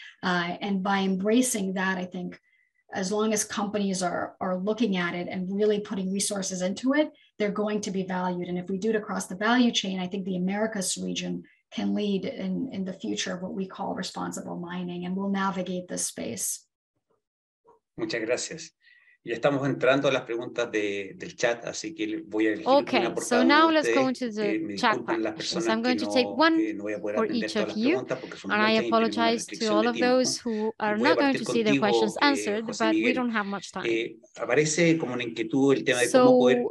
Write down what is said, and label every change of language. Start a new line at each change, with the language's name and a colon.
English: And by embracing that, I think as long as companies are looking at it and really putting resources into it, they're going to be valued. And if we do it across the value chain, I think the Americas region can lead in the future of what we call responsible mining, and we'll navigate this space.
Spanish: Muchas gracias. Ya estamos entrando a las preguntas del chat, así que voy a elegir
English: okay,
Spanish: una por
English: so now let's go into the chat part. I'm going to take one for each of you, and I apologize to all of those who are not going to see the questions answered, but we don't have much time.
Spanish: Aparece como una inquietud el tema de cómo poder